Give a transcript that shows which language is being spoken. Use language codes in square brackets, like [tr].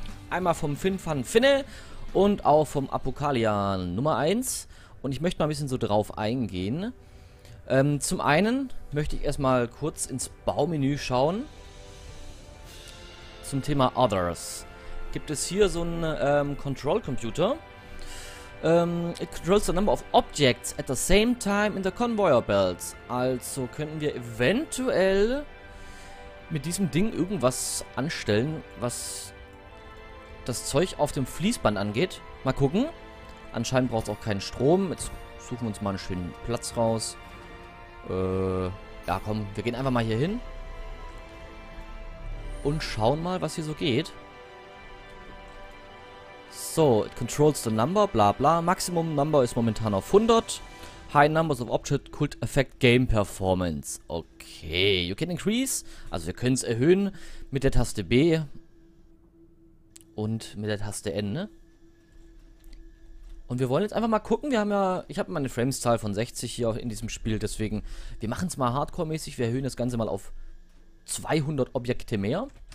[de] Einmal vom FinFanFinne und auch vom Apokalian Nummer 1. Und ich möchte mal ein bisschen so drauf eingehen. Zum einen möchte ich erstmal kurz ins Baumenü schauen. Zum Thema Others. Gibt es hier so einen Control Computer? [en] It controls the number of objects at the same time in the conveyor belts. [de] Also könnten wir eventuell mit diesem Ding irgendwas anstellen, was das Zeug auf dem Fließband angeht. Mal gucken. Anscheinend braucht es auch keinen Strom. Jetzt suchen wir uns mal einen schönen Platz raus. Ja, komm, wir gehen einfach mal hier hin. Und schauen mal, was hier so geht. [en] So, it controls the number, bla bla. [de] Maximum Number ist momentan auf 100. [en] High numbers of objects could affect game performance. Okay, you can increase. [de] Also, wir können es erhöhen mit der Taste B. Und mit der Taste N, ne? Und wir wollen jetzt einfach mal gucken, wir haben ja, ich habe meine Frames-Zahl von 60 hier auch in diesem Spiel, deswegen, wir machen es mal Hardcore-mäßig, wir erhöhen das Ganze mal auf 200 Objekte mehr.